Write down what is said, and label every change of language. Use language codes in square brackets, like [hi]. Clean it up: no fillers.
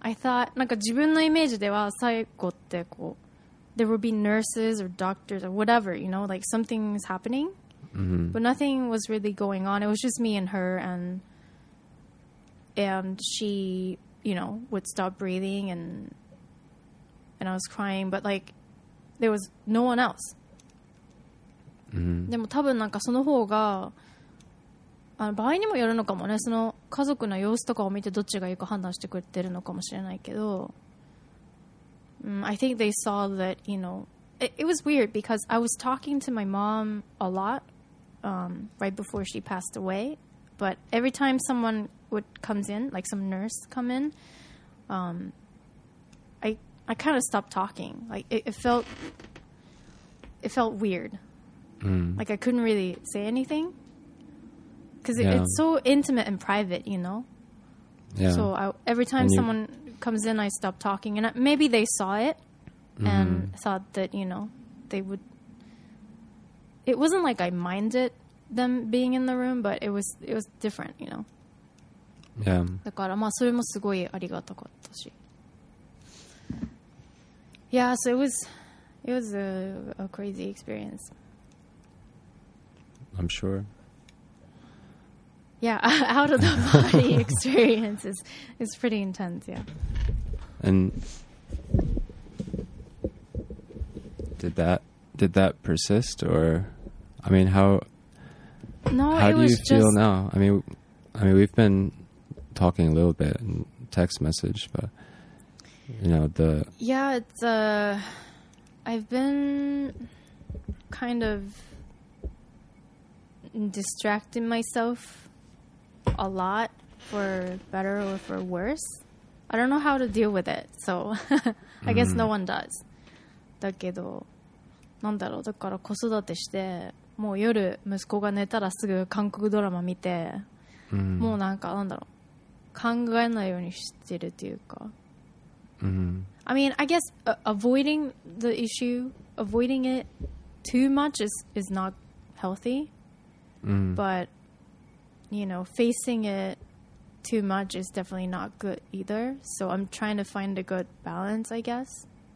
[en] I thought, [ja] なんか自分のイメージでは最後ってこう、 [en] there would be nurses or doctors or whatever, you know, like something is happening. Mm-hmm. But nothing was really going on. It was just me and her and she, you know, would stop breathing and I was crying. But like, there was no one else. Mm-hmm. [ja] でも多分なんかその方が、あの場合にもよるのかもね。その家族の様子とかを見てどっちがいいか判断してくれてるのかもしれないけど。 [en] I think they saw that, you know, it was weird because I was talking to my mom a lot, right before she passed away. But every time someone would comes in, like some nurse come in, I kind of stopped talking. Like it felt weird. Mm. Like I couldn't really say anything because yeah. it's so intimate and private, you know. Yeah. So every time someone comes in, I stop talking. And maybe they saw it mm-hmm. and thought that, you know, they would... It wasn't like I minded them being in the room, but it was different, you know. Yeah. [ja] だから、まあ、それもすごいありがたかったし。 [en] Yeah, so it was a crazy experience. I'm sure. Yeah, out of the body experience is pretty intense, yeah. And did that persist or I mean how do you feel now? I mean we've been talking a little bit in text message, but you know the Yeah, it's I've been kind of distracting myself. A lot for better or for worse. I don't know how to deal with it, so I guess no one does. [ja] だけど、なんだろう、だから子育てして、もう夜息子が寝たらすぐ韓国ドラマ見て、 mm-hmm. もうなんかなんだろう、考えないようにしてるっていうか。 Mm-hmm. [en] I mean, I guess avoiding the issue, avoiding it too much is not healthy,、 mm-hmm. but. You know, facing it too much is definitely not good either. So I'm trying to find a good balance, I guess.